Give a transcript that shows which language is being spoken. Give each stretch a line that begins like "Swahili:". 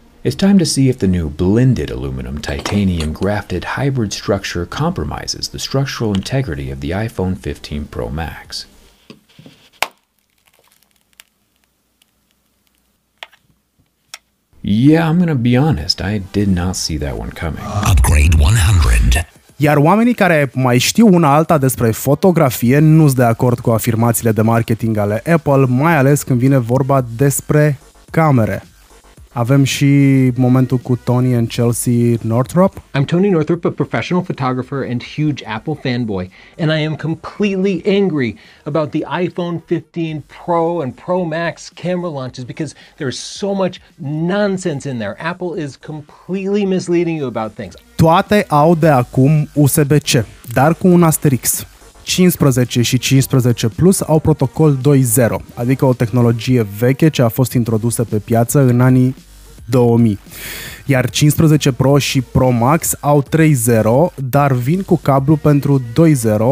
English: It's time to see if the new blended aluminum-titanium grafted hybrid structure compromises the structural integrity of the iPhone 15 Pro Max. Yeah, I'm gonna be honest, I did not see that one coming. Upgrade 100.
Romanian: Iar oamenii care mai știu una alta despre fotografie nu-s de acord cu afirmațiile de marketing ale Apple, mai ales când vine vorba despre camere. Avem și momentul cu Tony and Chelsea Northrup.
English: I'm Tony Northrup, a professional photographer and huge Apple fanboy, and I am completely angry about the iPhone 15 Pro and Pro Max camera launches because there's so much nonsense in there. Apple is completely misleading you about things.
Romanian: Toate au de acum USB-C, dar cu un asterisk. 15 și 15 Plus au protocol 2.0, adică o tehnologie veche ce a fost introdusă pe piață în anii 2000. Iar 15 Pro și Pro Max au 3.0, dar vin cu cablu pentru 2.0.